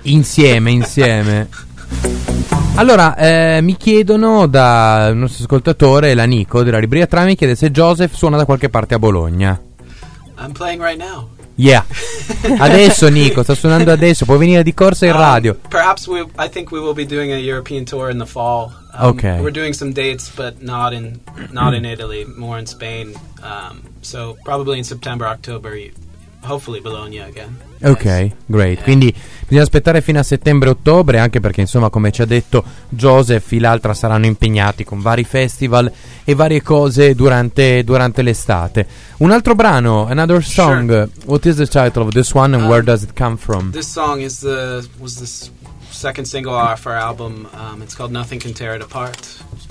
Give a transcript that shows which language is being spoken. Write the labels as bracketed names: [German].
[Italian] Insieme. Allora, mi chiedono da un nostro ascoltatore, la Nico della Libreria Tra, mi chiede se Joseph suona da qualche parte a Bologna. [English] I'm playing right now. Yeah. [Italian] Adesso Nico sta suonando, adesso puoi venire di corsa in radio. [English] Perhaps I think we will be doing a European tour in the fall. Okay. We're doing some dates but not in Italy, more in Spain. So probably in September, October, hopefully Bologna again. Okay, yes. Great. Yeah. [Italian] Quindi bisogna aspettare fino a settembre, ottobre, anche perché insomma, come ci ha detto Joseph, e l'altra saranno impegnati con vari festival e varie cose durante l'estate. Un altro brano, [English] another song. Sure. What is the title of this one and where does it come from? This song is the second single off our album. It's called Nothing Can Tear It Apart.